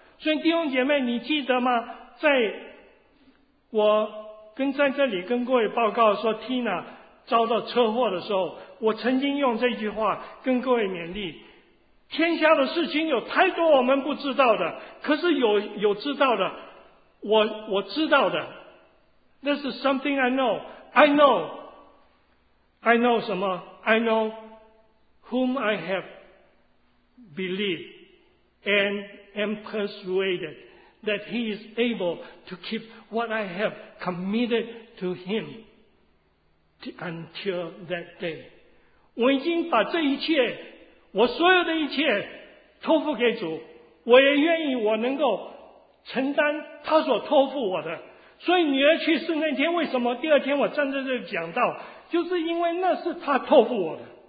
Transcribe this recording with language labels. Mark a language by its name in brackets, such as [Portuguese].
[Chinese] 所以弟兄姐妹，你记得吗？在我跟在这里跟各位报告说 Tina 遭到车祸的时候，我曾经用这句话跟各位勉励：天下的事情有太多我们不知道的，可是有知道的，我知道的。 [English] This is something I know. I know. I know [Chinese] 什么？ [English] I know whom I have believed and am persuaded that he is able to keep what I have committed to him until that day. [Chinese] 我已经把这一切，我所有的一切托付给主，我也愿意我能够承担他所托付我的。所以女儿去世那天，为什么第二天我站在这里讲到，就是因为那是他托付我的。